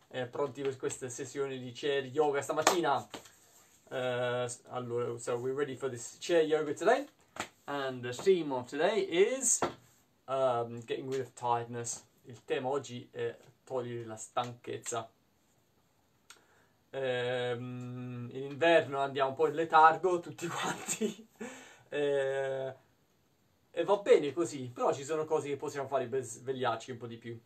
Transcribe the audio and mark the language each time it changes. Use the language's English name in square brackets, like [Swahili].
[Italian] Pronti per questa sessione di chair yoga stamattina? [English] Allora, so we're ready for this chair yoga today? And the theme of today is getting rid of tiredness. [Italian] Il tema oggi è togliere la stanchezza. In inverno andiamo un po' in letargo tutti quanti. E va bene così, però ci sono cose che possiamo fare per svegliarci un po' di più.